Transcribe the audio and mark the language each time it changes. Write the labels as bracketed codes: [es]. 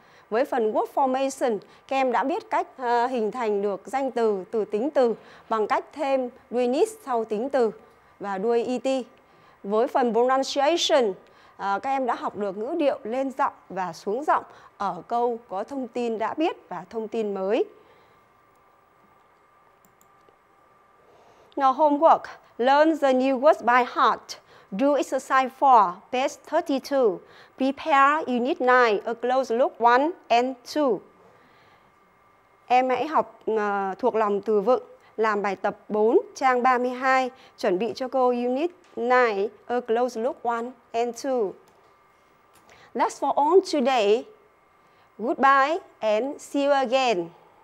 [vi] Với phần word formation, các em đã biết cách hình thành được danh từ, từ tính từ bằng cách thêm đuôi -nis sau tính từ và đuôi -et. Với phần pronunciation, các em đã học được ngữ điệu lên giọng và xuống giọng ở câu có thông tin đã biết và thông tin mới. [en] Now homework, learn the new words by heart. Do exercise 4, page 32. Prepare unit 9, a close look 1 and 2. [vi] Em hãy học thuộc lòng từ vựng, làm bài tập 4, trang 32, chuẩn bị cho cô unit 9, [en] a close look 1 and 2. That's for all today. Goodbye and see you again.